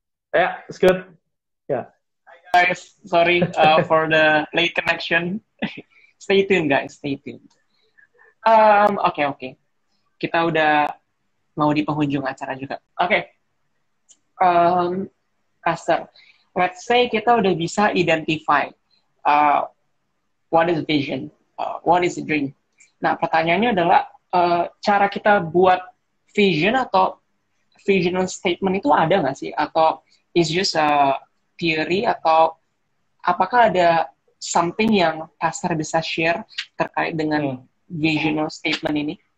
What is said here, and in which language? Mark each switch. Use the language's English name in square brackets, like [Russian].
[English] Yeah, it's good. Yeah. Hi guys, sorry for the late connection. Stay tuned guys, stay tuned. Okay. [Indonesian] Kita udah mau di penghujung acara juga. [English] Okay. Kaster, let's say [Indonesian] kita udah bisa [English] identify what is vision, what is a dream. [Indonesian] Nah, pertanyaannya adalah cara kita buat vision atau visional statement itu ada nggak sih? Atau [English] is just a theory [Indonesian] atau apakah ada something yang Kaster bisa share terkait dengan visional statement ini?